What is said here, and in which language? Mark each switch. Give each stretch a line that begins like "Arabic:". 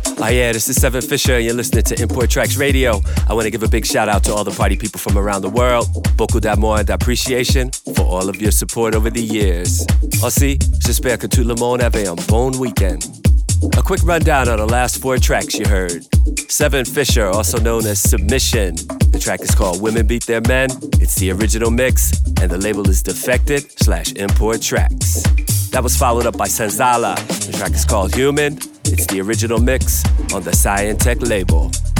English: yeah, this is Seven Fisher and you're listening to Import Tracks Radio. I want to give a big shout out to all the party people from around the world.
French: Beaucoup d'amour
English: and d'appreciation for all of your support over the years.
French: Aussi, j'espère que tout le monde avait un bon weekend.
English: A quick rundown on the last four tracks you heard. Seven Fisher, also known as Submission. The track is called Women Beat Their Men. It's the original mix, and the label is Defected/Import Tracks. That was followed up by Senzala. The track is called Human. It's the original mix on the Scientech label.